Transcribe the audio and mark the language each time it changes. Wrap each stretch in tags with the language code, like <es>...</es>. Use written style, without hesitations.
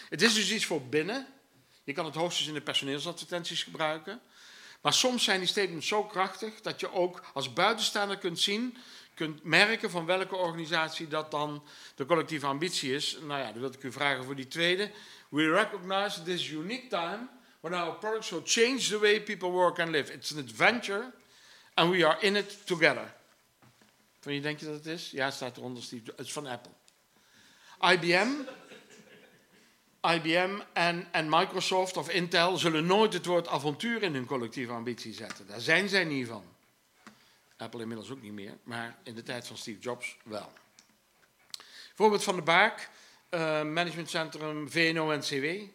<nl>Het is dus iets voor binnen. Je kan het hoogstens in de personeelsadvertenties gebruiken. Maar soms zijn die statements zo krachtig dat je ook als buitenstaander kunt zien, kunt merken van welke organisatie dat dan de collectieve ambitie is. Nou ja, dan wil ik u vragen voor die tweede.</nl> <en>We recognize this unique time when our products will change the way people work and live. It's an adventure and we are in it together.</en> <nl>Van wie denk je dat het is? Ja, het staat eronder. Het is van Apple. IBM en Microsoft of Intel zullen nooit het woord avontuur in hun collectieve ambitie zetten. Daar zijn zij niet van. Apple inmiddels ook niet meer, maar in de tijd van Steve Jobs wel. Voorbeeld van de Baak, managementcentrum VNO-NCW.</nl>